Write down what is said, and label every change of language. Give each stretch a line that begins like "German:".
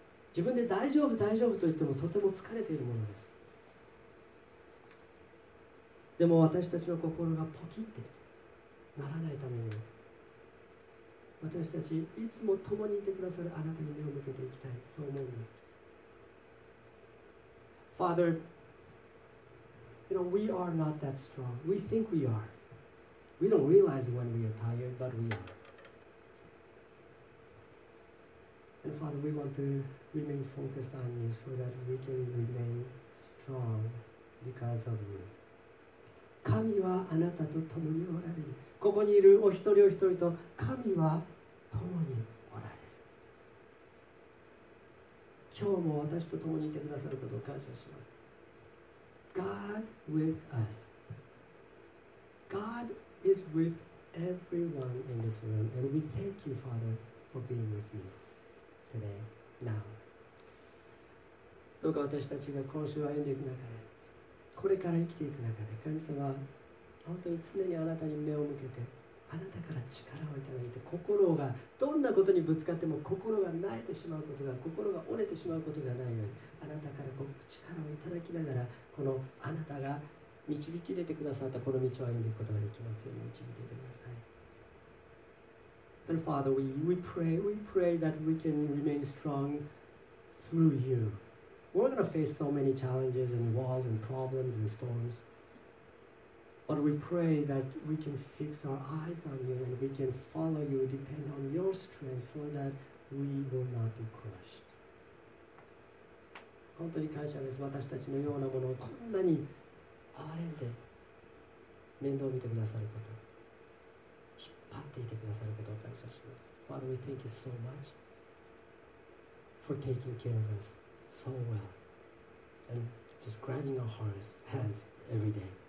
Japanese: 自分で大丈夫大丈夫と言ってもとても疲れているものです。でも私たちの心がポキッてならないために、私たちいつも共にいてくださるあなたに目を向けていきたい、そう思うんです。
English: Father, you know, we are not that strong. We think we are. We don't realize when we are tired, but we are. And Father, we want toremain focused on you so that we can remain strong because of you.
Japanese: 神はあなたと共におられる。ここにいるお一人お一人と神は共におられる。今日も私と共にいてくださることを感謝します。
English: God with us. God is with everyone in this room, and we thank you, Father, for being with me today, now.
Japanese: どうか私たちが今週歩んでいく中で、これから生きていく中で、神様、本当に常にあなたに目を向けて、あなたから力をいただいて、心がどんなことにぶつかっても心が萎えてしまうことが、心が折れてしまうことがないように、あなたから力をいただきながら、このあなたが導き入れてくださったこの道を歩んでいくことができますように、導いてください。
English: And Father, we pray that we can remain strong through you. We're going to face so many challenges and walls and problems and storms. But we pray that we can fix our eyes on you and we can follow you, depend on your strength so that we will not be crushed.
Japanese: 本当に感謝です。私たちのようなものをこんなに憐れんで面倒を見てくださること、引っ張っていてくださることを感謝します。
English: Father, we thank you so much for taking care of us. So well, and just grabbing our hearts, hands every day.